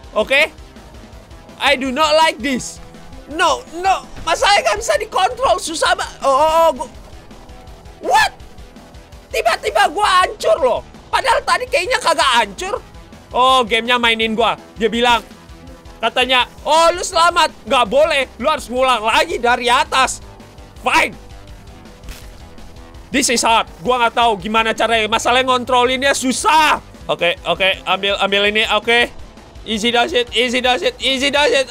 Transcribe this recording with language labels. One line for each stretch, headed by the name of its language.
English: Oke, okay? I do not like this. No, no.
Indonesian: Masalahnya gak bisa dikontrol, susah banget.
English: What?
Indonesian: Tiba-tiba gua hancur loh. Padahal tadi kayaknya kagak hancur. Oh, gamenya mainin gua. Dia bilang, katanya, oh lu selamat, gak boleh, lu harus ngulang lagi dari atas.
English: Fine. This is hard.
Indonesian: Gua gak tahu gimana caranya. Masalah ngontrolinnya susah. Oke, okay, oke, okay, ambil, ambil ini. Oke, okay.
English: Easy does it, easy does it, easy does it.